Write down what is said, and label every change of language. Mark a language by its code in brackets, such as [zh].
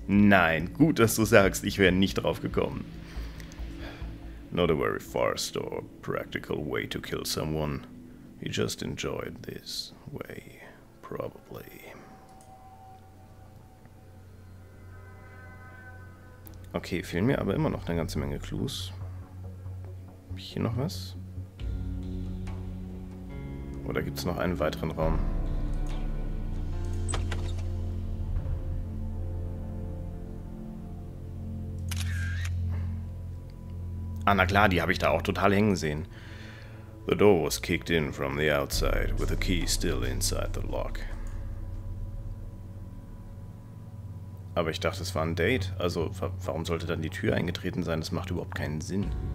[de] Nein, gut, dass du sagst, ich wäre nicht drauf gekommen. [en] Not a very fast or practical way to kill someone. He just enjoyed this way, probably. [de] Okay, fehlen mir aber immer noch eine ganze Menge Clues. Hab ich hier noch was? Oder gibt's noch einen weiteren Raum? Ah, na klar, die habe ich da auch total hängen sehen. [en] The door was kicked in from the outside, with the key still inside the lock. [de] Aber ich dachte, es war ein Date. Also, warum sollte dann die Tür eingetreten sein? Das macht überhaupt keinen Sinn.